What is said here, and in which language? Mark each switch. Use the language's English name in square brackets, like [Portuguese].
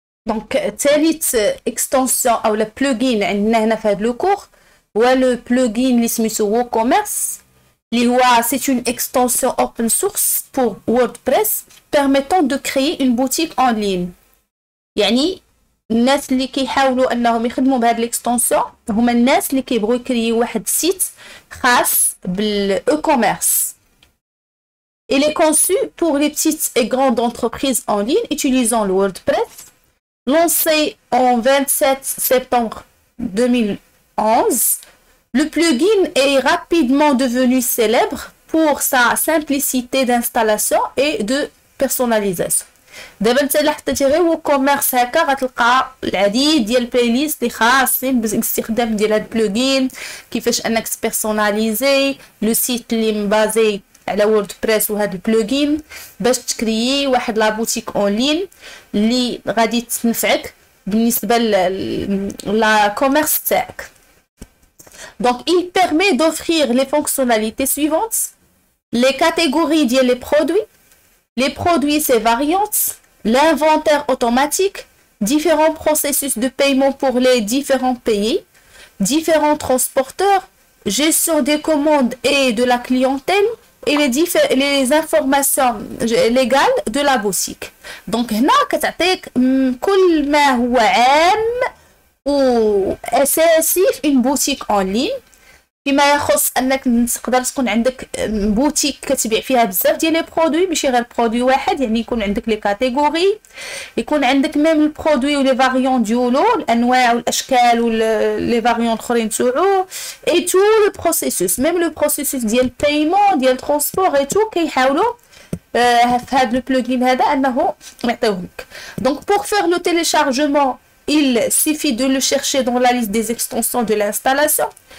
[Arabic] Donc, ثالث extension أو le plugin عندنا هنا في هذا الكور هو le plugin اللي سميتو WooCommerce اللي هو [French] c'est une extension open source pour WordPress permettant de créer une boutique en ligne. [Arabic] يعني الناس اللي كيحاولوا انهم يخدموا بهاد الاكستنسيون هما الناس اللي كيبغيو يكريو واحد سيت خاص بالاي كوميرس. [French] Il est conçu pour les petites et grandes entreprises en ligne utilisant le WordPress. Lancé en 27 septembre 2011, le plugin est rapidement devenu célèbre pour sa simplicité d'installation et de personnalisation. [Arabic] دابا انت الا حطيتي غير ووكوميرس هكا غتلقى العديد ديال البلاي ليست اللي خاصين باستخدام ديال هاد البلوغين، كيفاش انك تبيرسوناليزي لو سيت اللي مبازي على ووردبريس وهاد البلوغين باش تكريي واحد لابوتيك اون لين اللي غادي تنفعك بالنسبه لا كوميرس تاعك. [French] دونك il permet d'offrir les fonctionnalités suivantes: les catégories ديال لي برودوي, les produits ses variantes, l'inventaire automatique, différents processus de paiement pour les différents pays, différents transporteurs, gestion des commandes et de la clientèle et les informations légales de la boutique. [Arabic] Donc هنا كتعطيك كل ما هو عام و اساسي في [French] une boutique en ligne. [Arabic] فيما يخص انك تقدر تكون عندك بوتيك كتبيع فيها بزاف ديال لي برودوي ماشي غير برودوي واحد، يعني يكون عندك لي كاتيجوري، يكون عندك ميم البرودوي ولي فاريون ديالو الانواع والاشكال ولي فاريون الاخرين تاعو اي تو لو بروسيسوس ميم لو بروسيسوس ديال البيمون ديال ترونسبور اي تو كيحاولوا في هذا البلوغين هذا انه يعطيوهولك. [French] دونك بور فير لو تيليشارجمون il suffit de le chercher dans la liste des extensions de l'installation.